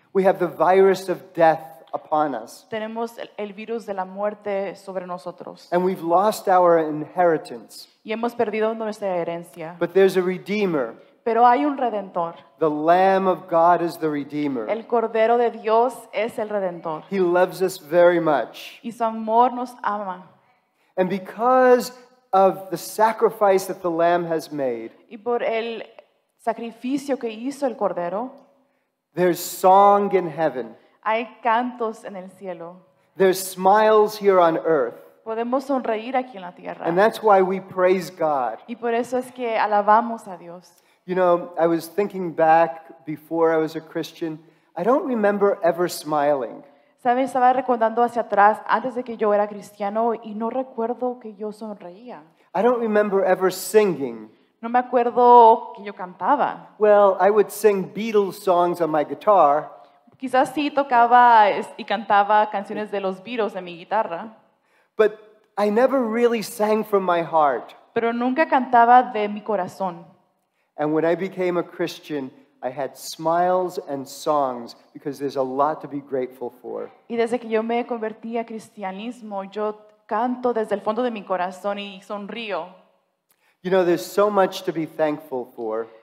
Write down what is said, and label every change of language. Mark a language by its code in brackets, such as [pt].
[en] We have the virus of death upon us. [es] Tenemos el virus de la muerte sobre nosotros. [en] And we've lost our inheritance. [es] Y hemos perdido nuestra herencia. [en] But there's a redeemer. [es] Pero hay un redentor. [en] The Lamb of God is the redeemer. [es] El Cordero de Dios es el redentor. [en] He loves us very much. [es] Y su amor nos ama. [en] And because of the sacrifice that the Lamb has made. [es] Y por el sacrificio que hizo el Cordero. [en] There's song in heaven. [es] Hay cantos en el cielo. [en] There's smiles here on earth. [es] Podemos sonreír aquí en la tierra. [en] And that's why we praise God. [es] Y por eso es que alabamos a Dios. [en] You know, I was thinking back before I was a Christian. I don't remember ever smiling. [es] ¿Sabes? Estaba recordando hacia atrás antes de que yo era cristiano y no recuerdo que yo sonreía. [en] I don't remember ever singing. [es] No me acuerdo que yo cantaba. [en] Well, I would sing Beatles songs on my guitar. [es] Quizás sí tocaba y cantaba canciones de los Beatles en mi guitarra. [en] But I never really sang from my heart. [es] Pero nunca cantaba de mi corazón. [en] And when I became a Christian, I had smiles and songs because there's a lot to be grateful for. [es] Y desde que yo me convertí a cristianismo, yo canto desde el fondo de mi corazón y sonrío. [en] You know, there's so much to be thankful for.